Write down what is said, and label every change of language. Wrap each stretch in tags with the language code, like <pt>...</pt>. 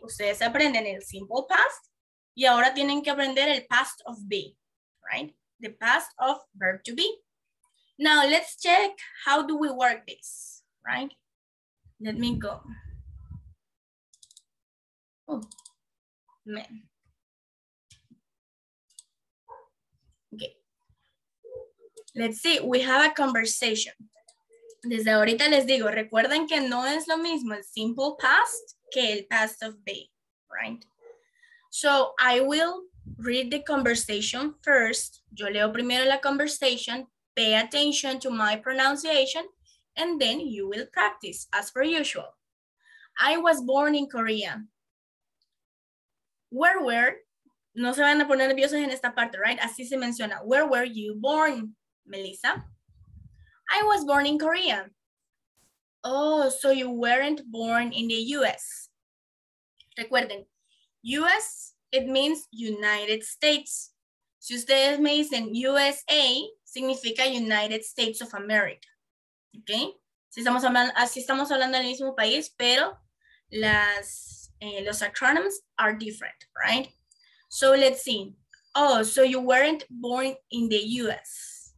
<es>Ustedes aprenden el simple past y ahora tienen que aprender el past of be, right?</es> <en>The past of verb to be. Now let's check how do we work this, right? Let me go. Oh, man. Okay. Let's see, we have a conversation.</en> <es>Desde ahorita les digo, recuerden que no es lo mismo el simple past que el past of be, right?</es> <en>So I will read the conversation first.</en> <es>Yo leo primero la</es> <en>conversation, pay attention to my pronunciation, and then you will practice as per usual. I was born in Korea. Where were,</en> <es>no se van a poner nerviosos en esta parte, right? Así se menciona.</es> <en>Where were you born, Melissa? I was born in Korea. Oh, so you weren't born in the US.</en> <es>Recuerden,</es> <en>US, it means United States.</en> <es>Si ustedes me dicen USA, significa United States of America. Okay? Si estamos hablando del mismo país, pero los acronyms</es> <en>are different,</en> <es>right?</es> <en>So let's see. Oh, so you weren't born in the US.</en>